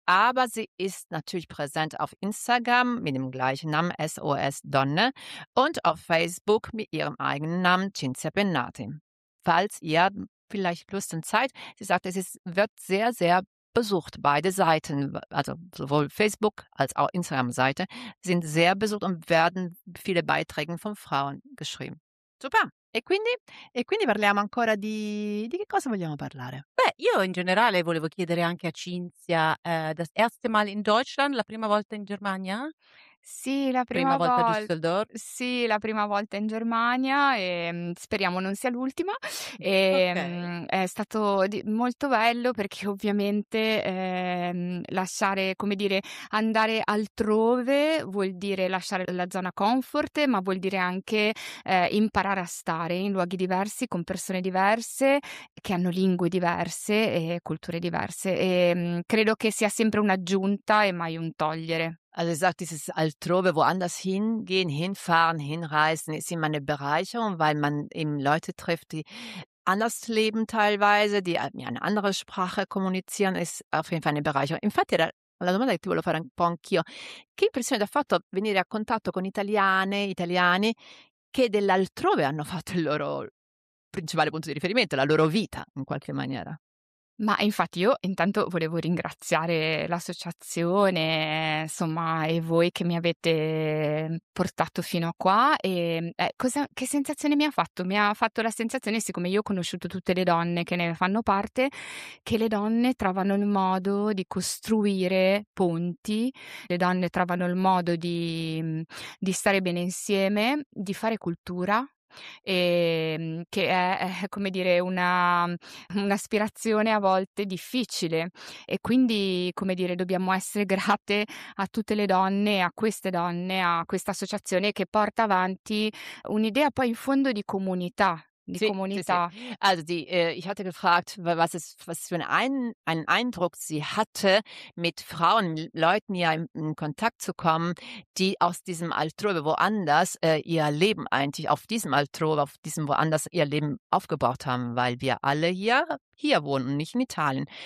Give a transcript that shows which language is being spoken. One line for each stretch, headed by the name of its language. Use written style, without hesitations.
German: Aber sie ist natürlich präsent auf Instagram mit dem gleichen Namen, SOS Donne, und auf Facebook mit ihrem eigenen Namen, Cinzia Pennati. Falls ihr vielleicht Lust und Zeit. Sie sagt, es wird sehr, sehr besucht. Beide Seiten, also sowohl Facebook als auch Instagram-Seite, sind sehr besucht und werden viele Beiträge von Frauen geschrieben. Super.
Italian: E quindi parliamo ancora di che cosa vogliamo parlare? Beh, io in generale volevo chiedere anche a Cinzia,
German: das erste Mal in Deutschland,
Italian: la prima volta in Germania? Sì, la prima volta a Düsseldorf. Sì, la prima volta in Germania e speriamo non sia l'ultima. E, okay. È stato molto bello perché ovviamente lasciare, come dire, andare altrove vuol dire lasciare la zona comfort, ma vuol dire anche imparare a stare in luoghi diversi, con persone diverse, che hanno lingue diverse e culture diverse. E, credo che sia sempre un'aggiunta e mai un togliere.
German: Also sie sagt, dieses Altrove, woanders hingehen, hinfahren, hinreisen, ist immer eine Bereicherung, weil man eben Leute trifft, die anders leben teilweise, die eine andere Sprache kommunizieren, ist auf jeden Fall eine Bereicherung.
Italian: Infatti, la domanda che ti volevo fare un po' anch'io, che impressione ti ha fatto venire a contatto con italiane, italiani, che dell'altrove hanno fatto il loro principale punto di riferimento, la loro vita in qualche maniera? Ma infatti io intanto volevo ringraziare l'associazione, insomma, e voi che mi avete portato fino a qua. E che sensazione mi ha fatto? Mi ha fatto la sensazione, siccome io ho conosciuto tutte le donne che ne fanno parte, che le donne trovano il modo di costruire ponti, le donne trovano il modo di stare bene insieme, di fare cultura. E che è, come dire, un'aspirazione a volte difficile e quindi, come dire, dobbiamo essere grate a tutte le donne, a queste donne, a questa associazione che porta avanti un'idea poi in fondo di comunità,
German: die sie, Kommunità. Also die, ich hatte gefragt, was es, was für einen Eindruck sie hatte, mit Frauen, mit Leuten ja in Kontakt zu kommen, die aus diesem Altrove woanders ihr Leben eigentlich, auf diesem Altrove, auf diesem woanders ihr Leben aufgebaut haben, weil wir alle hier wohnen und nicht in Italien.